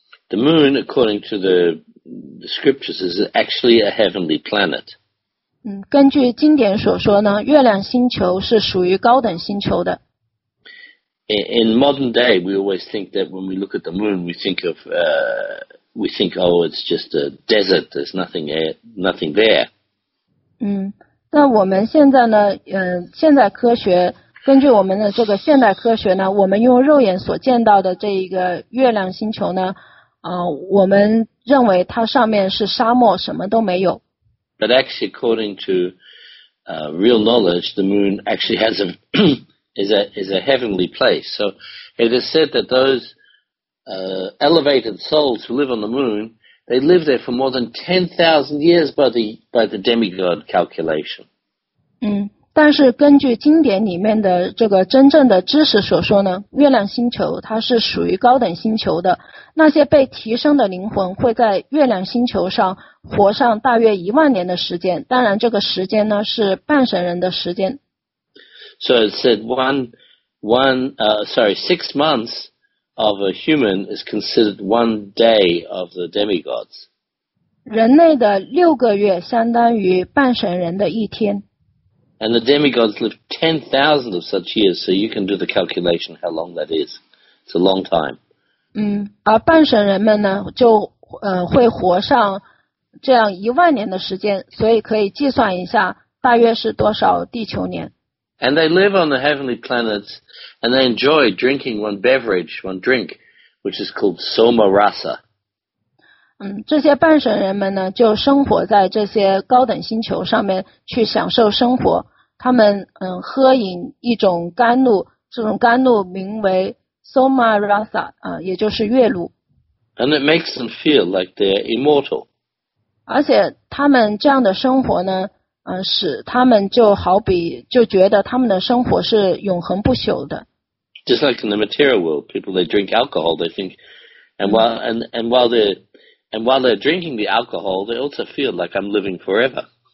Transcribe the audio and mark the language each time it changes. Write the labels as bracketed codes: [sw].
[en] The moon, according to the scriptures, is actually a heavenly planet. [zh] 嗯，根据经典所说呢，月亮星球是属于高等星球的。 [en] In modern day, we always think that when we look at the moon, we think, it's just a desert. There's nothing there. [zh] 嗯，但我们现在呢，现代科学根据我们的这个现代科学呢，我们用肉眼所见到的这一个月亮星球呢。我们认为它上面是沙漠，什么都没有。 [en] But actually, according to real knowledge, the moon actually has a is a heavenly place. So it is said that those elevated souls who live on the moon, they live there for more than 10,000 years by the demigod calculation. [zh] 嗯，但是根据经典里面的这个真正的知识所说呢，月亮星球它是属于高等星球的。那些被提升的灵魂会在月亮星球上活上大约一万年的时间，当然这个时间呢是半神人的时间。 [en] So it said six months of a human is considered one day of the demigods. [zh] 人类的六个月相当于半神人的一天。 [en] And the demigods lived 10,000 of such years, so you can do the calculation how long that is. It's a long time. [zh] 嗯，而半神人们呢，就会活上这样一万年的时间，所以可以计算一下，大约是多少地球年。 [en] And they live on the heavenly planets, and they enjoy drinking one drink, which is called soma rasa. [zh] 嗯，这些半神人们呢，就生活在这些高等星球上面去享受生活，他们喝饮一种甘露，这种甘露名为 Soma Rasa、也就是月露。 [en] And it makes them feel like they're immortal. [zh] 而且他们这样的生活呢、使他们就好比就觉得他们的生活是永恒不朽的。 [en] Just like in the material world, people they drink alcohol, they think, and while they're drinking the alcohol, they also feel like I'm living forever.